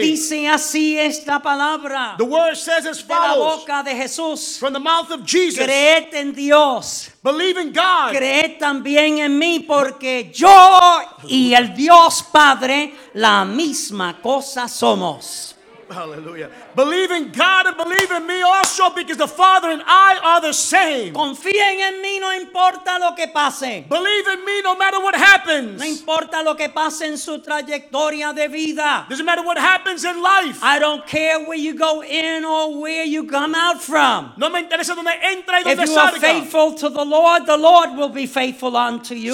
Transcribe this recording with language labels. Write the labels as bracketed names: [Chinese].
[Spanish] Dice así esta palabra. [English] The word says as follows. [Spanish] De la boca de Jesús. [English] From the mouth of Jesus. [Spanish] Creed en Dios. [English] Believe in God. [Spanish] Creed también en mí porque yo y el Dios Padre la misma cosa somos. Hallelujah. [English] Believe in God and believe in me also because the Father and I are the same. [Spanish] Confíen en mí, no importa lo que pase. [English] Believe in me no matter what happens. [Spanish] No importa lo que pase en su trayectoria de vida. [English] Doesn't matter what happens in life. I don't care where you go in or where you come out from. [Spanish] No me interesa donde entra y donde [English] If you are faithful to the Lord will be faithful unto you.